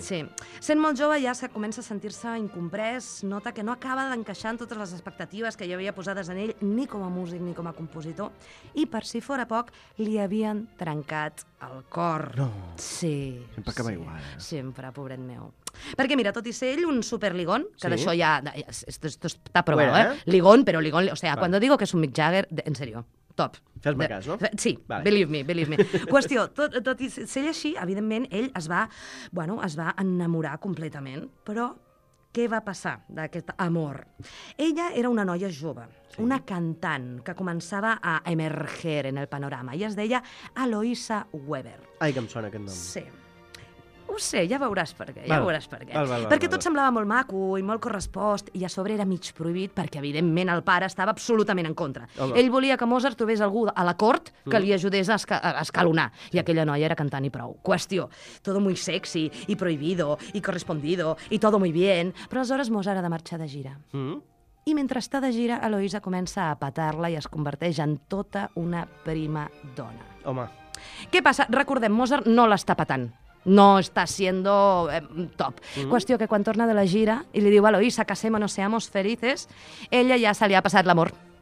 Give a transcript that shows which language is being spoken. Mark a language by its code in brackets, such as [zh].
[ca] Sí. Sent molt jove ja comença a sentir-se incomprès, nota que no acaba d'encaixar en totes les expectatives que hi havia posades en ell, ni com a músic ni com a compositor, i per si fora poc, li havien trencat el cor. No. Sí. Sempre acaba igual. Sempre, pobret meu. Perquè mira, tot i ser ell un superligón, que d'això ja... [es] Esto está probado, bueno, eh? Ligón, pero ligón... O sea, cuando digo que es un Mick Jagger, en serio... Top. [ca] Fes-me cas, no? [en] Sí, vale. Believe me, believe me. [ca] Qüestió, tot i ser així, evidentment, ell es va, bueno, es va enamorar completament. Però què va passar d'aquest amor? Ella era una noia jove, sí, una cantant que començava a emerger en el panorama i es deia Aloïsa Weber. Ai, que em sona aquest nom. Sí. Ho sé, ja veuràs per què, Val. Perquè tot semblava molt maco i molt correspost i a sobre era mig prohibit perquè, evidentment, el pare estava absolutament en contra. Home. Ell volia que Mozart trobés algú a la cort que li ajudés a escalonar. Sí. I aquella noia era cantant i prou. Qüestió. [es] Todo muy sexy y prohibido y correspondido y todo muy bien. [ca] Però aleshores Mozart ha de marxar de gira. I mentre està de gira, Aloïsa comença a petar-la i es converteix en tota una prima dona. Home. Què passa? Recordem, Mozart no l'està petant. [es] No está siendo top. [ca] Qüestió que quan torna de la gira i li diu a Aloïsa, [es] casémonos, seamos felices, [ca] ella ja se li ha passat l'amor.